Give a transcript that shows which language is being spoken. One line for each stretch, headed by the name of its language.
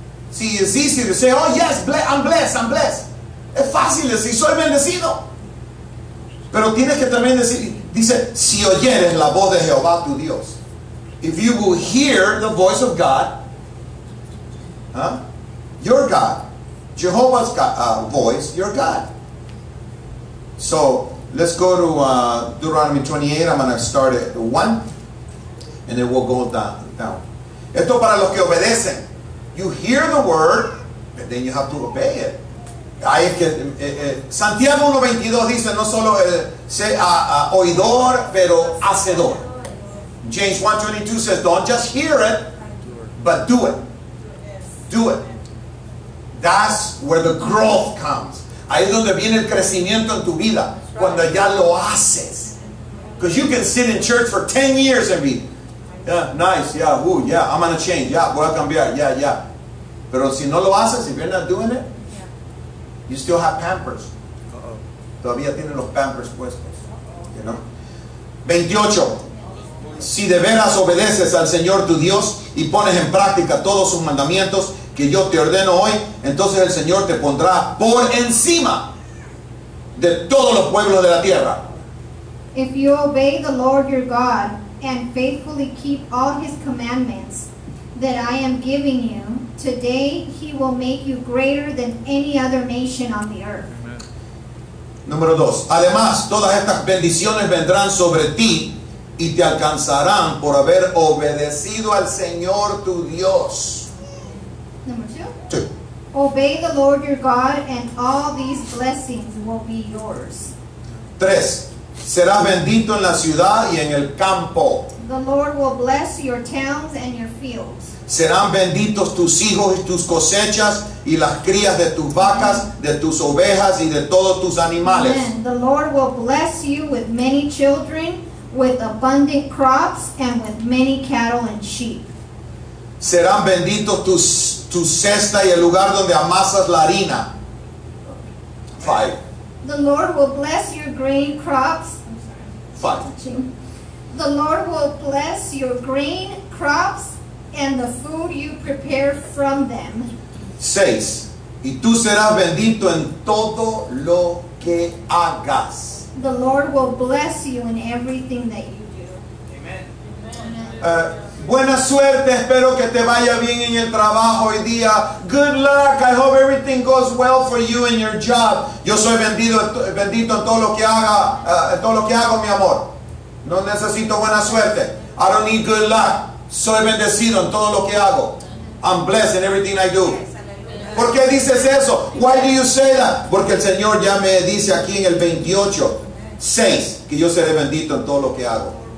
Spanish: Si es
English: easy to say, oh yes, I'm blessed.
Spanish: Es fácil decir, soy bendecido. Pero tienes que también decir, dice, si oyeres la voz de Jehová tu Dios.
English: If you will hear the voice of God, your God, Jehovah's God, voice, your God. So, let's go to Deuteronomy 28. I'm going to start at 1, and then we'll go down.
Spanish: Esto para los que obedecen.
English: You hear the word, and then you have to obey it.
Spanish: Hay que, Santiago 1:22 dice, no solo sea oidor, pero hacedor.
English: James 1:22 says, don't just hear it, but do it. Do it. That's where the growth comes.
Spanish: Ahí es donde viene el crecimiento en tu vida, cuando ya lo haces.
English: Because you can sit in church for 10 years and be, yeah, nice, yeah, ooh, yeah, I'm going to change, yeah,
Spanish: voy a cambiar,
English: yeah, yeah.
Spanish: Pero si no lo haces,
English: if you're not doing it, you still have Pampers.
Spanish: Todavía tienen los Pampers puestos.
English: You know?
Spanish: 28. Si de veras obedeces al Señor tu Dios y pones en práctica todos sus mandamientos que yo te ordeno hoy, entonces el Señor te pondrá por encima de todos los pueblos de la tierra.
English: If you obey the Lord your God and faithfully keep all his commandments that I am giving you, today he will make you greater than any other nation on the earth.
Spanish: Amen. Número 2. Además, todas estas bendiciones vendrán sobre ti y te alcanzarán por haber obedecido al Señor tu Dios.
English: Number 2. Obey the Lord your God and all these blessings will be yours. 3.
Spanish: Serás bendito en la ciudad y en el campo.
English: The Lord will bless your towns and your fields.
Spanish: Serán benditos tus hijos y tus cosechas y las crías de tus vacas, de tus ovejas y de todos tus animales.
English: Amen. The Lord will bless you with many children, with abundant crops, and with many cattle and sheep.
Spanish: Serán benditos tu cesta y el lugar donde amasas la harina. 5.
English: The Lord will bless your grain crops. 5. The Lord will bless your grain crops and the food you prepare from them. 6.
Spanish: Y tú serás bendito en todo lo que hagas.
English: The Lord will bless you in everything that you do. Amen.
Spanish: Buena suerte, espero que te vaya bien en el trabajo hoy día.
English: Good luck, I hope everything goes well for you in your job.
Spanish: Yo soy bendito en todo lo que haga, en todo lo que hago, mi amor. No necesito buena suerte.
English: I don't need good luck.
Spanish: Soy bendecido en todo lo que hago.
English: I'm blessed in everything I do.
Spanish: ¿Por qué dices eso?
English: Why do you say that?
Spanish: Porque el Señor ya me dice aquí en el 28:6 que yo seré bendito en todo lo que hago.